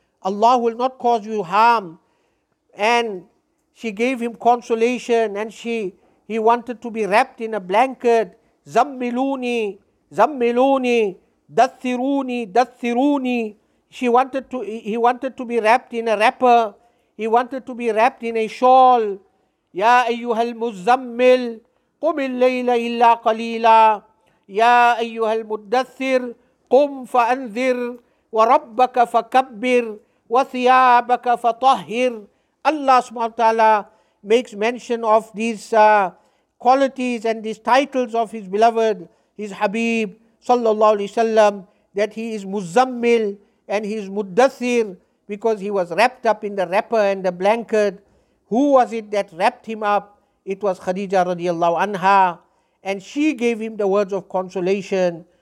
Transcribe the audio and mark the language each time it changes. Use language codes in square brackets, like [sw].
[en] Allah will not cause you harm. And she gave him consolation, and he wanted to be wrapped in a blanket. [ar] Zammiluni, zammiluni, dathiruni, dathiruni. [en] He wanted to be wrapped in a wrapper. He wanted to be wrapped in a shawl. [ar] Ya ayyuhal muzammil, qum al-layla illa qalila. يا أيها المدثر قم فأنذر وربك فكبر وثيابك فطهر. Allah subhanahu wa ta'ala [en] makes mention of these qualities and these titles of his beloved, his Habib sallallahu alayhi wasallam, that he is Muzzammil and he is Muddathir, because he was wrapped up in the wrapper and the blanket. Who was it that wrapped him up? It was Khadija radiallahu anha, and she gave him the words of consolation.